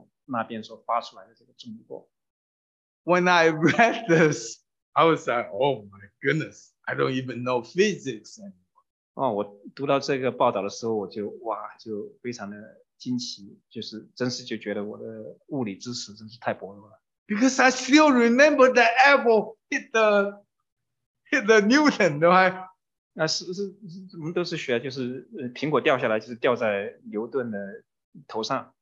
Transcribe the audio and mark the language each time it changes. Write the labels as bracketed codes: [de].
[zh] 另外一边就是两个黑洞，它们互相作用的时候就发出这个重力波，然后我们在地球上借着这个重力波的这个检测仪器检测设施，我们就检测到这个两个黑洞那边所发出来的这个重力波。 [en] When I read this, I was like, oh my goodness, I don't even know physics anymore. [zh] 我读到这个报道的时候，我就非常的惊奇，就是真是就觉得我的物理知识真是太薄弱了。 [en] Because I still remember the apple hit the Newton, right? [zh] 那是我们都是学，就是苹果掉下来就是掉在牛顿的头上。